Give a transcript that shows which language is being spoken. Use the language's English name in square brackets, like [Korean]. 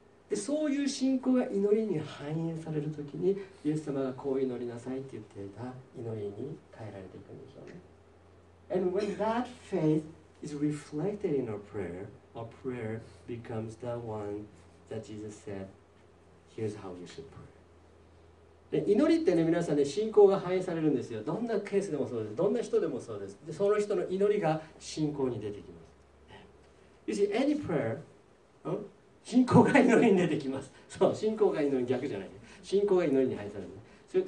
[Japanese] で、そういう信仰が祈りに反映されるときに、イエス様がこう祈りなさいって言っていた祈りに変えられていくんでしょうね。 [English] And when that faith is reflected in our prayer becomes the one that Jesus said, here's how you should pray. [Japanese] で祈りってね、皆さんね、信仰が反映されるんですよ。どんなケースでもそうです。どんな人でもそうです。で、その人の祈りが信仰に出てきます。 [English] You see, any prayer, [Japanese] 信仰が祈りに出てきます。そう、信仰が祈りに逆じゃない。信仰が祈りに反映される。